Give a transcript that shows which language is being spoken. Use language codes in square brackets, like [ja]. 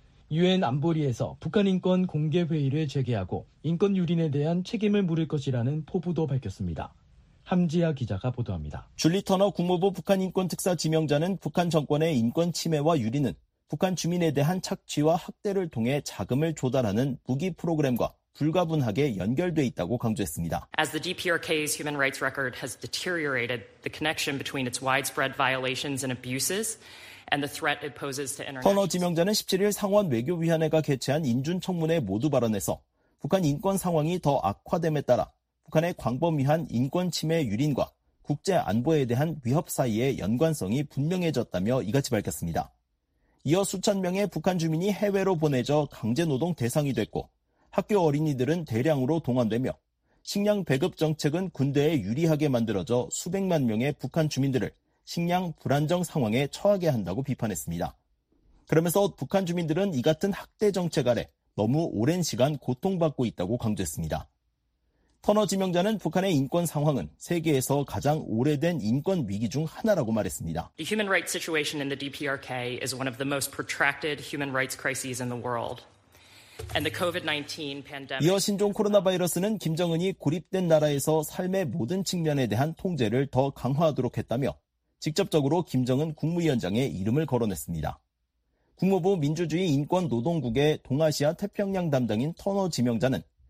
[ko] 유엔 안보리에서 북한인권 공개회의를 재개하고 인권유린에 대한 책임을 물을 것이라는 포부도 밝혔습니다. 함지아 기자가 보도합니다. 줄리 터너 국무부 북한인권특사 지명자는 북한 정권의 인권 침해와 유린은 북한 주민에 대한 착취와 학대를 통해 자금을 조달하는 무기 프로그램과 불가분하게 연결돼 있다고 강조했습니다. [en] As the DPRK's human rights record has deteriorated, the connection between its widespread violations and abuses and the threat it poses to international. [ko] 터너 지명자는 17일 상원 외교위원회가 개최한 인준청문회 모두 발언에서 북한 인권 상황이 더 악화됨에 따라 북한의 광범위한 인권 침해 유린과 국제 안보에 대한 위협 사이의 연관성이 분명해졌다며 이같이 밝혔습니다. 이어 수천 명의 북한 주민이 해외로 보내져 강제 노동 대상이 됐고 학교 어린이들은 대량으로 동원되며 식량 배급 정책은 군대에 유리하게 만들어져 수백만 명의 북한 주민들을 식량 불안정 상황에 처하게 한다고 비판했습니다. 그러면서 북한 주민들은 이 같은 학대 정책 아래 너무 오랜 시간 고통받고 있다고 강조했습니다. 터너 지명자는 북한의 인권 상황은 세계에서 가장 오래된 인권 위기 중 하나라고 말했습니다. [en] The human rights situation in the DPRK is one of the most protracted human rights crises in the world. And the COVID-19 pandemic. [ko] 이어 신종 코로나 바이러스는 김정은이 고립된 나라에서 삶의 모든 측면에 대한 통제를 더 강화하도록 했다며 직접적으로 김정은 국무위원장의 이름을 거론했습니다. 국무부 민주주의 인권노동국의 동아시아 태평양 담당인 터너 지명자는